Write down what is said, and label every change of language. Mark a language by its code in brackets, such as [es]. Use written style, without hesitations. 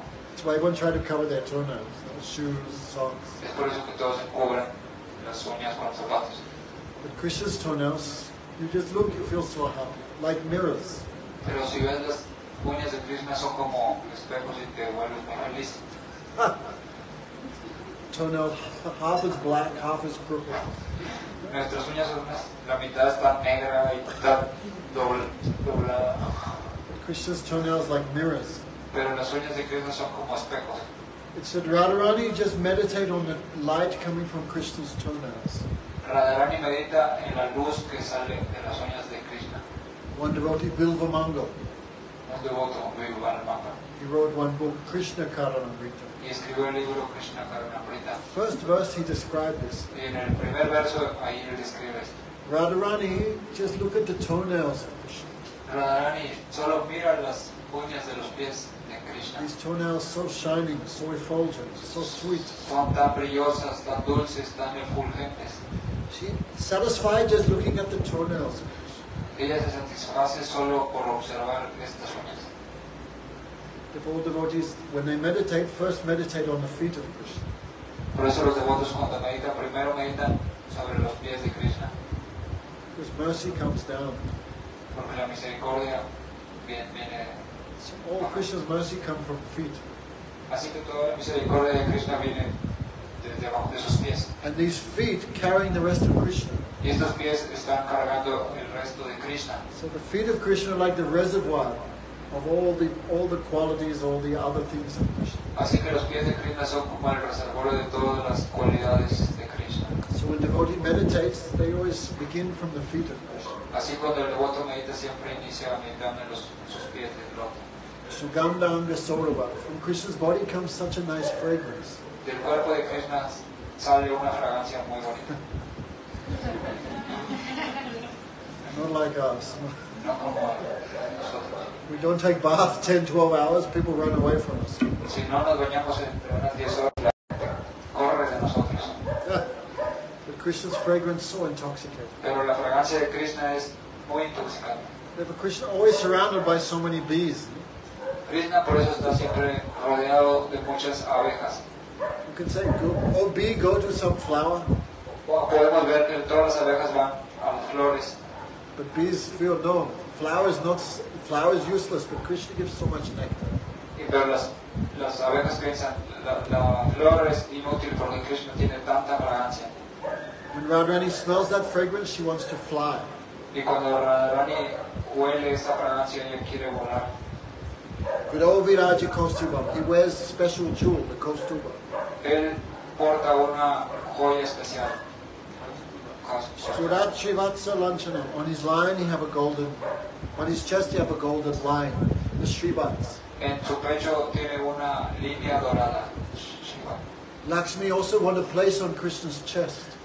[en] That's why everyone tries to cover their toenails, their shoes, socks. [es] Es por eso que todos se cubren las uñas con los zapatos. [en] But Krishna's toenails, you just look, you feel so happy, like mirrors. [es] Pero si ves las uñas de Krishna son como espejos y te vuelves muy feliz. [en] Toenail, half is black, half is purple. [es] Nuestras uñas son la mitad está negra y está doblada. [en] Krishna's toenails like mirrors. [es] Pero las uñas de Krishna son como espejos. [en] It said, Radharani, just meditate on the light coming from Krishna's toenails. [es] Radharani medita en la luz que sale de las uñas de Krishna. [en] One devotee, Bilva Mango. [es] Un devoto, Bilva Mango. [en] He wrote one book, Krishna Karanamrita. [es] Y escribió el libro Krishna Karanamrita. [en] First verse he described this. [es] Y en el primer verso ahí él describe esto. [en] Radharani, just look at the toenails of Krishna. [es] Radharani, solo mira las uñas de los pies de Krishna. [en] These toenails so shining, so effulgent, so sweet. [es] Son tan brillosas, tan dulces, tan efulgentes. [en] She satisfied just looking at the toenails of [es] Krishna. Ella se satisface solo por observar estas uñas. [en] If all devotees, when they meditate, first meditate on the feet of Krishna. [es] Por eso los devotos cuando meditan, primero meditan sobre los pies de Krishna. [en] Because mercy comes down. [es] Porque la misericordia viene. [en] So all Krishna's mercy come from feet. [es] Así que toda la misericordia de Krishna viene desde abajo de sus pies. [en] And these feet carrying the rest of Krishna. [es] Y estos pies están cargando el resto de Krishna. [en] So the feet of Krishna are like the reservoir of all the qualities, all the other things of Krishna. [es] Así que los pies de Krishna son como el reservorio de todas las cualidades de Krishna. [en] So when devotee meditates, they always begin from the feet of Krishna. [es] Así cuando el devoto medita siempre inicia meditando en sus pies del loto. [sa] Sugandha Anga Sorava. [en] From Krishna's body comes such a nice fragrance. [es] Del cuerpo de Krishna sale una fragancia muy bonita. [en] Not like us. [es] No, [en] we don't take bath 10-12 hours, people run away from us. [es] Si no nos bañamos entre unas 10 horas, la gente corre de nosotros. [en] But Krishna's fragrance is so intoxicating. [es] Pero la fragancia de Krishna es muy intoxicante. [en] Yeah, but Krishna always surrounded by so many bees. [es] Krishna por eso está siempre rodeado de muchas abejas. [en] You can say, go to some flower. [es] Podemos ver que todas las abejas van a las flores. [en] But bees feel no. Flower is useless, but Krishna gives so much nectar. [es] Pero las abejas piensan, la flor es inútil porque Krishna tiene tanta fragancia. [en] When Radharani smells that fragrance, she wants to fly. [es] Y cuando Radharani huele esa fragancia, ella quiere volar. [sa] Vidovirajya Kostuba, [en] he wears special jewel, the Kostuba. [es] Él porta una joya especial. [sa] Surachi Vatsa Lanchana. [en] On his lion he have a golden, on his chest he have a golden line, the Srivats. [es] En su pecho tiene una línea dorada. [en] Lakshmi also want a place on Krishna's chest.